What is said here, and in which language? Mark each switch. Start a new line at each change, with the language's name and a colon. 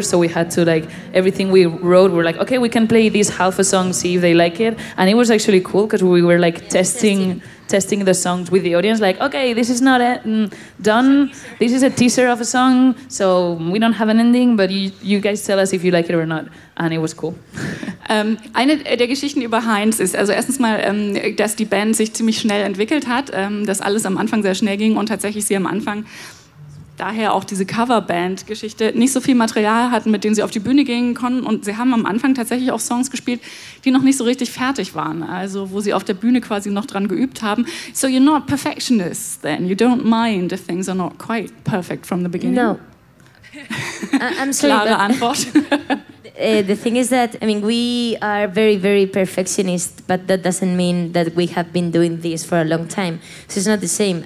English: So we had to like everything we wrote, we're like, okay, we can play this half a song, see if they like it. And it was actually cool because we were like testing the songs with the audience, like, okay, this is not done. This is a teaser of a song, so we don't have an ending, but you guys tell us if you like it or not. And it was cool.
German: Eine der Geschichten über Heinz ist, also erstens mal, dass die Band sich ziemlich schnell entwickelt hat, dass alles am Anfang sehr schnell ging und tatsächlich sie am Anfang, daher auch diese Coverband-Geschichte, nicht so viel Material hatten, mit dem sie auf die Bühne gehen konnten. Und sie haben am Anfang tatsächlich auch Songs gespielt, die noch nicht so richtig fertig waren. Also wo sie auf der Bühne quasi noch dran geübt haben.
English: So you're not perfectionists then. You don't mind if things are not quite perfect from the beginning. No. I'm sorry,
German: klare Antwort.
English: The thing is that, I mean, we are very, very perfectionist, but that doesn't mean that we have been doing this for a long time. So it's not the same.